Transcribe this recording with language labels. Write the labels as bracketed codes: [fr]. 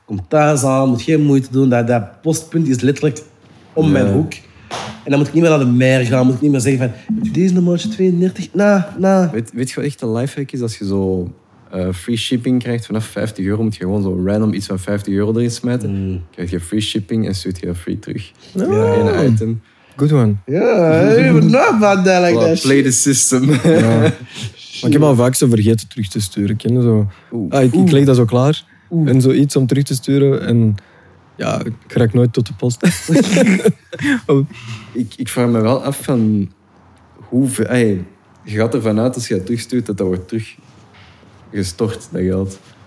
[nl] Kom thuis aan, moet geen moeite doen. Dat postpunt is letterlijk om mijn hoek. En dan moet ik niet meer naar de meer gaan. Moet ik niet meer zeggen van... Deze nummertje 32? Weet je wat echt een lifehack is? Als je zo free shipping krijgt vanaf 50 euro, moet je gewoon zo random iets van 50 euro erin smijten. Mm. Krijg je free shipping en stuurt je free terug. Ja. Eén item. [en] Good one. Yeah, I don't know about that like well, that. Play the system. [nl] Maar ik heb al vaak zo vergeten terug te sturen. Ken je zo? Ik leg dat zo klaar. Oeh. En zoiets om terug te sturen. En ja, ik raak nooit tot de post. ik vraag me wel af van hoeveel... Je gaat ervan uit als je het terugstuurt dat wordt teruggestort, dat geld.